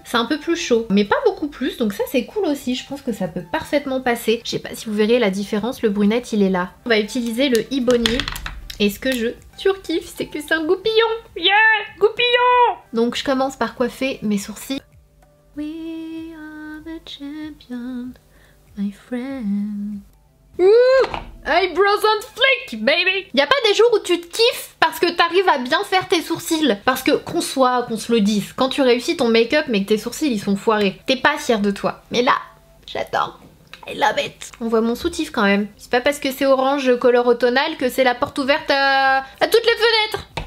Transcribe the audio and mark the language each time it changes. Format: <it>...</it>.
<fr>C'est un peu plus chaud, mais pas beaucoup plus. Donc ça, c'est cool aussi. Je pense que ça peut parfaitement passer. Je sais pas si vous verrez la différence. Le brunette, il est là. On va utiliser le Ebony. Et ce que je surkiffe, c'est que c'est un goupillon. Yeah, goupillon. Donc je commence par coiffer mes sourcils.</fr> <en>We are the champion, my friend. Ouh, eyebrows on fleek, baby.</en> <fr>Y'a pas des jours où tu te kiffes parce que t'arrives à bien faire tes sourcils? Parce que qu'on se le dise, quand tu réussis ton make-up mais que tes sourcils ils sont foirés, t'es pas fière de toi. Mais là, j'adore.</fr> <en>I love it.</en> <fr>On voit mon soutif quand même. C'est pas parce que c'est orange color automnale que c'est la porte ouverte à toutes les fenêtres.</fr>